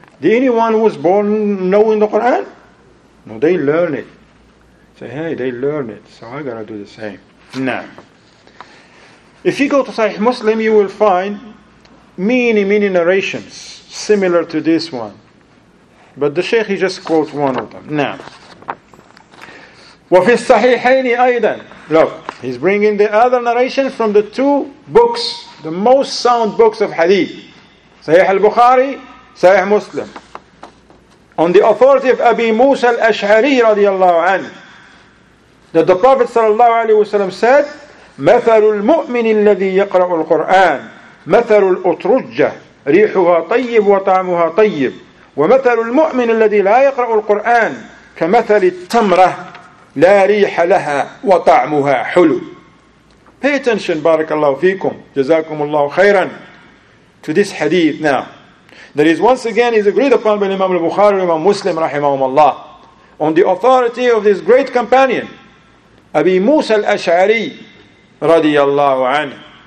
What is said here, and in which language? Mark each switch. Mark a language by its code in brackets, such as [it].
[en] Did anyone who was born knowing the Quran? No, they learn it. Say, hey, they learn it. So I got to do the same. Now, if you go to Sahih Muslim, you will find many, many narrations similar to this one. But the Shaykh, he just quotes one of them. [ar] Now, وفي الصحيحين أيضا. [en] Look, he's bringing the other narration from the two books, the most sound books of Hadith. Sahih al-Bukhari, Sahih Muslim. On the authority of Abi Musa al-Ash'ari radiallahu anhu, that the Prophet sallallahu alayhi wa sallam said, [ar] مثل المؤمن الذي يقرأ القرآن مثل الأترجة ريحها طيب وطعمها طيب ومثل المؤمن الذي لا يقرأ القرآن كمثل التمرة لا ريح لها وطعمها حلو. [en] Pay attention, barakallahu fikum, jazakumullahu khairan, to this hadith now. That is, once again, is agreed upon by Imam al-Bukhari and Imam Muslim, rahimahumallah, on the authority of this great companion, Abi Musa al-Ash'ari, radiyallahu anhu.